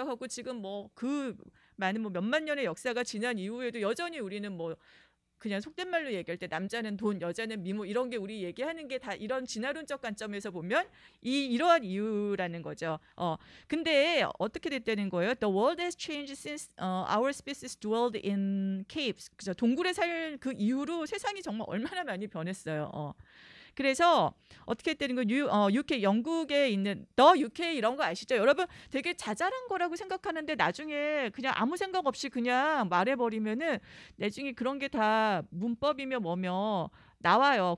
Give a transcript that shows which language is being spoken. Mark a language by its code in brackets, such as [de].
[ko] 하고 지금 뭐그 많은 뭐 몇만 년의 역사가 지난 이후에도 여전히 우리는 뭐 그냥 속된 말로 얘기할 때 남자는 돈, 여자는 미모 이런 게 우리 얘기하는 게다 이런 진화론적 관점에서 보면 이러한 이유라는 거죠. 근데 어떻게 됐다는 거예요? [en] The world has changed since our species dwelled in caves. [ko] 그죠? 동굴에 살그 이후로 세상이 정말 얼마나 많이 변했어요. 그래서 어떻게 되는 거 UK 영국에 있는 더 UK 이런 거 아시죠? 여러분 되게 자잘한 거라고 생각하는데 나중에 그냥 아무 생각 없이 그냥 말해 버리면은 나중에 그런 게다 문법이며 뭐며 나와요.